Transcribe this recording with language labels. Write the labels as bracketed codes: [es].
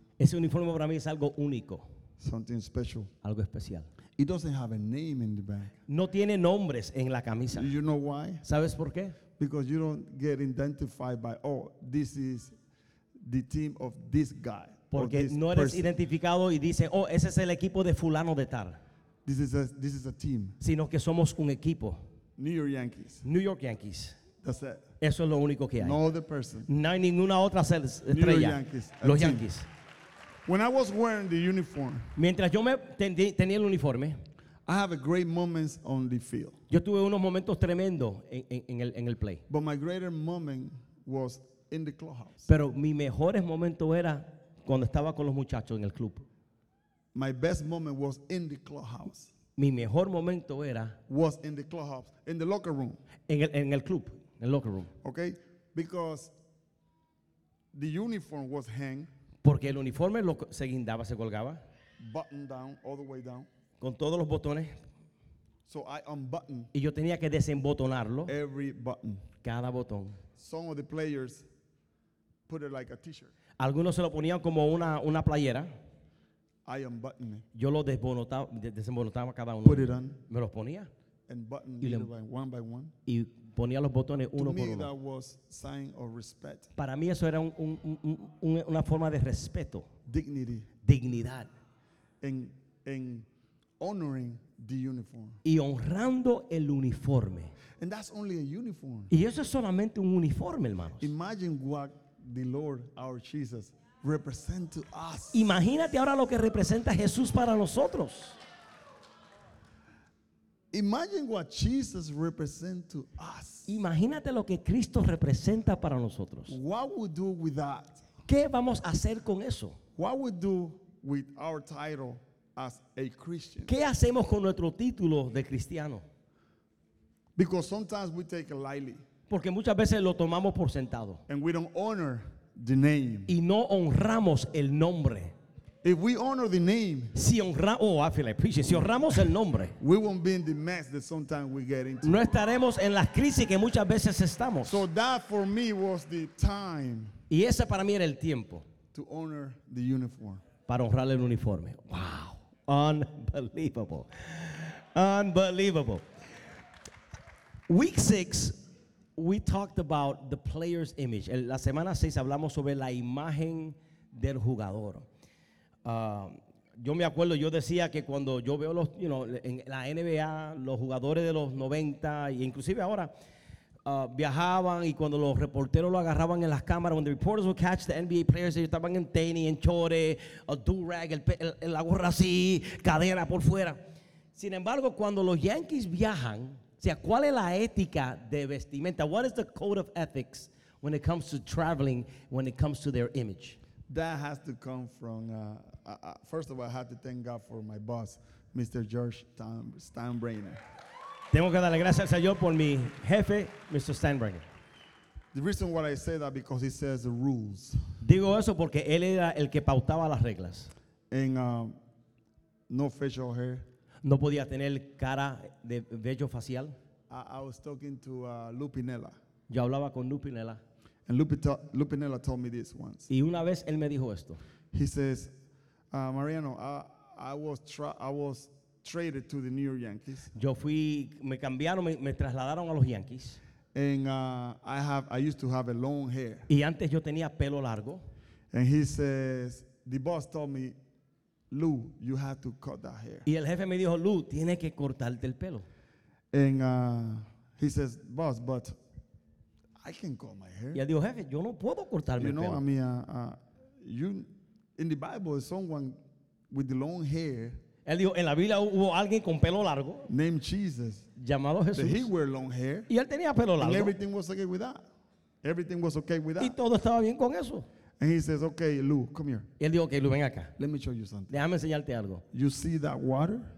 [es] Ese uniforme para mí es algo único. [en] Something special. [es] Algo especial. [en] It doesn't have a name in the back. [es] No tiene nombres en la camisa. [en] You know why? [es] ¿Sabes por qué? [en] Because you don't get identified by, oh, this is the team of this guy. [es] Porque no eres [en] person. [es] Identificado y dice, oh, ese es el equipo de fulano de tal. [en] This is a team. Sino que somos un equipo. New York Yankees. New York Yankees. That's it. [es] Eso es lo único que hay. [en] No other person. [es] No hay ninguna otra estrella. [en] New York Yankees. [es] Los Yankees. [en] When I was wearing the uniform, [es] mientras yo me tenía el uniforme, [en] I have a great moments on the field. [es] Yo tuve unos momentos tremendos en el play. [en] But my greater moment was in the clubhouse. [es] Pero mi mejores momento era cuando estaba con los muchachos en el club. [en] My best moment was in the clubhouse. [es] Mi mejor momento era [en] was in the clubhouse, in the locker room. [es] En el club, en el locker room. [en] Okay, because the uniform was hang. [es] Porque el uniforme lo se guindaba, se colgaba. [en] Button down, all the way down. [es] Con todos los botones. [en] So I unbuttoned. [es] Y yo tenía que desembotonarlo. [en] Every button. [es] Cada botón. [en] Some of the players put it like a t-shirt. [es] Algunos se lo ponían como una playera. [en] I unbuttoned it. [es] Yo lo desembotonaba cada uno. [en] Put it on. [es] Me los ponía. [en] And buttoned it one by one. [es] Y ponía los botones uno [en] to me, [es] por uno. [en] That was sign of respect. [es] Para mí eso era una forma de respeto. [en] Dignity. [es] Dignidad. [en] And honoring the uniform. [es] Y honrando el uniforme. [en] And that's only a uniform. [es] Y eso es solamente un uniforme, hermanos. [en] Imagine what the Lord, our Jesus, represents to us. [es] Imagínate ahora lo que representa Jesús para nosotros. [en] Imagine what Jesus represents to us. [es] Imagínate lo que Cristo representa para nosotros. [en] What we do with that? [es] ¿Qué vamos a hacer con eso? [en] What we do with our title as a Christian? [es] ¿Qué hacemos con nuestro título de cristiano? [en] Because sometimes we take it lightly. [es] Porque muchas veces lo tomamos por sentado. [en] And we don't honor the name. [es] Y no honramos el nombre. [en] If we honor the name, [es] si [en] I feel like preaching. [es] Si honramos el nombre, [en] we won't be in the mess that sometimes we get into. [es] No estaremos en las crisis que muchas veces estamos. [en] So that for me was the time. [es] Y ese para mí era el tiempo. [en] To honor the uniform. [es] Para honrar el uniforme. [en] Wow, unbelievable, unbelievable. Week six, we talked about the player's image. [es] En la semana seis hablamos sobre la imagen del jugador. Yo me acuerdo, yo decía que cuando yo veo los, you know, en la NBA, los jugadores de los 90, e inclusive ahora, viajaban y cuando los reporteros lo agarraban en las cámaras, [en] when the reporters would catch the NBA players, [es] ellos estaban en tenis, en chores, a durag, la gorra así, cadena por fuera. Sin embargo, cuando los Yankees viajan, o sea, ¿cuál es la ética de vestimenta? [en] What is the code of ethics when it comes to traveling, when it comes to their image? That has to come from, first of all, I have to thank God for my boss, Mr. George Steinbrenner. [es] Tengo que darle gracias al Señor por mi jefe, Mr. Steinbrenner. [en] The reason why I say that because he says the rules. [es] Digo eso porque él era el que pautaba las reglas. [en] And no facial hair. [es] No podía tener cara de vello facial. [en] I was talking to Lupinella. [es] Yo hablaba con Lupinella. [en] And Lupinella told me this once. [es] Y una vez él me dijo esto. [en] He says, Mariano, I was traded to the New York Yankees. [es] Yo fui, me cambiaron, me trasladaron a los Yankees. [en] And I used to have a long hair. [es] Y antes yo tenía pelo largo. [en] And he says, the boss told me, Lou, you have to cut that hair. [es] Y el jefe me dijo, Lou, tiene que cortarte el pelo. [en] And he says, boss, but I can cut my hair. [es] Y él dijo, jefe, yo no puedo cortarme el pelo. [en] You know, in the Bible, someone with the long hair. [es] Él dijo, en la Biblia hubo alguien con pelo largo. [en] Named Jesus. [es] Llamado Jesús. [en] But he wore long hair. [es] Y él tenía pelo largo. [en] And everything was okay with that. Everything was okay with that. [es] Y todo estaba bien con eso. [en] And he says, okay, Lou, come here. [es] Y él dijo, okay, Lou, ven acá. [en] Let me show you something. [es] Déjame enseñarte algo. [en] You see that water?